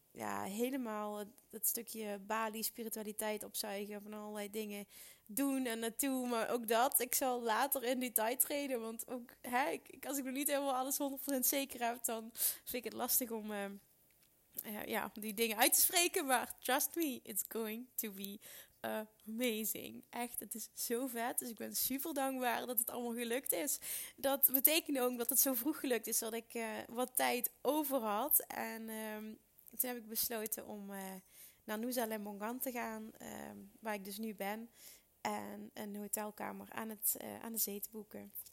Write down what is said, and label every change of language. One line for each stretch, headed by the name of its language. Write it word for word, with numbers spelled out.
Dutch: ja, helemaal het- dat stukje Bali, spiritualiteit opzuigen van allerlei dingen doen en naartoe. Maar ook dat, ik zal later in detail treden. Want ook, hè, ik, ik- als ik nog niet helemaal alles honderd procent zeker heb, dan vind ik het lastig om eh, eh, ja, om die dingen uit te spreken.
English: Maar trust me, it's going to be amazing.
Dutch: Echt, het is zo vet. Dus ik ben super dankbaar dat het allemaal gelukt is. Dat betekende ook dat het zo vroeg gelukt is dat ik eh, wat tijd over had. En ehm, toen heb ik besloten om eh, naar Nusa Lembongan te gaan, ehm, waar ik dus nu ben. En een hotelkamer aan, het, eh, aan de zee te boeken.